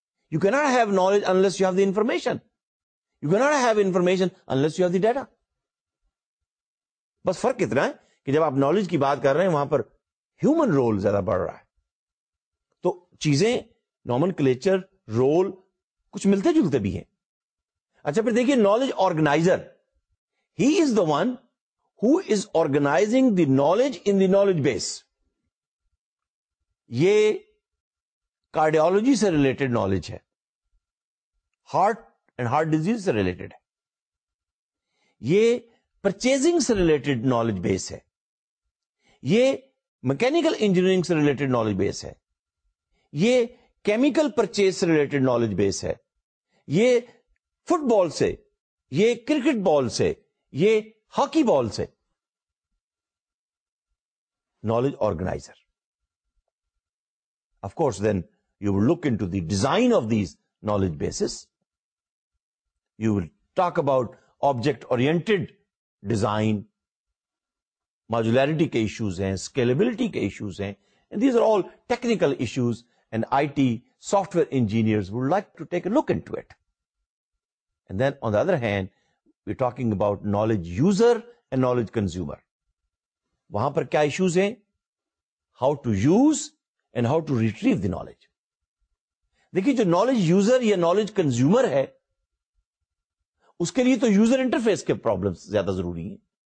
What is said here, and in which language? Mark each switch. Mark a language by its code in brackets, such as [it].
[en] You can not have knowledge unless you have the information, you can not have information unless you have the data. [ur] بس فرق اتنا ہے کہ جب آپ نالج کی بات کر رہے ہیں وہاں پر ہیومن رول زیادہ بڑھ رہا ہے. تو چیزیں, نامن کلیچر, رول کچھ ملتے جلتے بھی ہیں. اچھا پھر دیکھیے [en] Knowledge organiser, he is the one who is organising the knowledge in the knowledge base. [ur] یہ کارڈیالوجی سے ریلیٹڈ نالج ہے, ہارٹ اینڈ ہارٹ ڈیزیز سے ریلیٹڈ ہے, یہ پرچیزنگ سے ریلیٹڈ نالج بیس ہے, یہ میکینیکل انجینئرنگ سے ریلیٹڈ نالج بیس ہے, یہ کیمیکل پرچیز سے ریلیٹڈ نالج بیس ہے, یہ فٹ بال سے, یہ کرکٹ بال سے, یہ ہاکی بال سے. [en] knowledge organiser, of course then you will look in to the design of these knowledge bases, you will talk about object oriented design, [ur] ماجولیرٹی کے issues ہیں, [en] Scalability کے issues ہیں, these are all technical issues and I T software engineers would like to take a look in to it. And then on the other hand we are talking about knowledge user and knowledge consumer. [ur] وہاں پر کیا issues ہیں, [en] How to use and how to retrieve the knowledge. [ur] دیکھیے جو knowledge user یا knowledge consumer ہے اس کے لیے تو یوزر انٹرفیس کے پرابلمز زیادہ ضروری ہیں.